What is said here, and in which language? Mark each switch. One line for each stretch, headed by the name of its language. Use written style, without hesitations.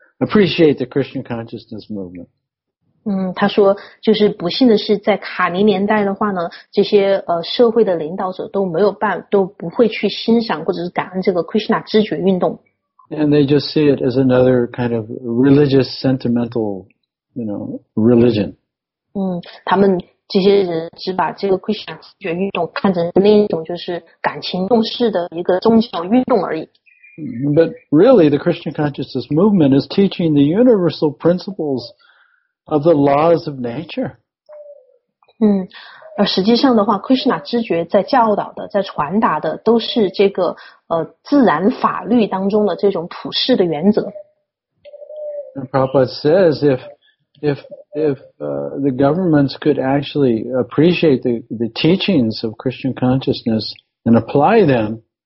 English: Appreciate the Krishna consciousness movement.
Chinese: 嗯，他说，就是不幸的是，在卡尼年代的话呢，这些社会的领导者都没有办，都不会去欣赏或者是感恩这个 Krishna 知觉运动。
English: And they just see it as another kind of religious sentimental, you know, religion.
Chinese: 嗯，他们这些人只把这个 Krishna 知觉运动看成另一种就是感情用事的一个宗教运动而已。
English: But really, the Krishna consciousness movement is teaching the universal principles of the laws of nature.
Chinese: 嗯，而实际上的话 ，Krishna 知觉在教导的、在传达的，都是这个自然法律当中的这种普世的原则。
English: And Prabhupada says if the governments could actually appreciate the teachings of Krishna consciousness and apply them.